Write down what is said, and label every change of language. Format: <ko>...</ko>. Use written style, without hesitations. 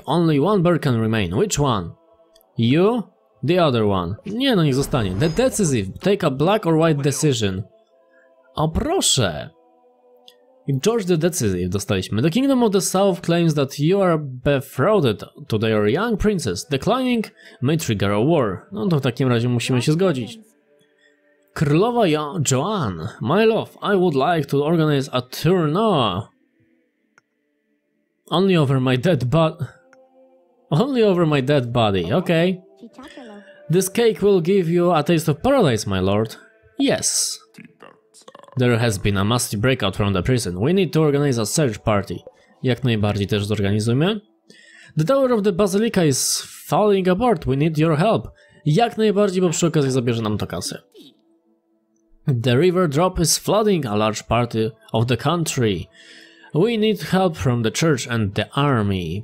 <en>Only one bird can remain. Which one? You? The other one.</en> <pl>Nie, no niech zostanie.</pl> <en>The decisive. Take a black or white decision.</en> <pl>O proszę. George the Decisive dostaliśmy.</pl> <en>The Kingdom of the South claims that you are betrothed to their young princess. Declining may trigger a war.</en> <pl>No to w takim razie musimy się zgodzić. Królowa Joan.</pl> <en>My love, I would like to organize a tournoi. Only over my dead body. Only over my dead body, okay. This cake will give you a taste of paradise, my lord. Yes. There has been a massive breakout from the prison. We need to organize a search party.</en> <pl>Jak najbardziej też zorganizujmy.</pl> <en>The tower of the basilica is falling apart. We need your help.</en> <pl>Jak najbardziej, bo przy okazji zabierze nam to kasę.</pl> <en>The river drop is flooding a large part of the country. We need help from the church and the army.</en>